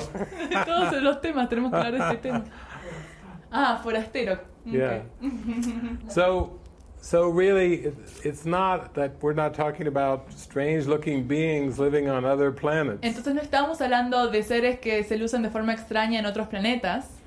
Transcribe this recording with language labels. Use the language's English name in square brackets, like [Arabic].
[Spanish] Todos los temas tenemos que hablar de este tema. Ah, forastero. [English] Okay. Yeah. So really, it's not that we're not talking about strange-looking beings living on other planets. [Spanish] Entonces no estamos hablando de seres que se lucen de forma extraña en otros planetas.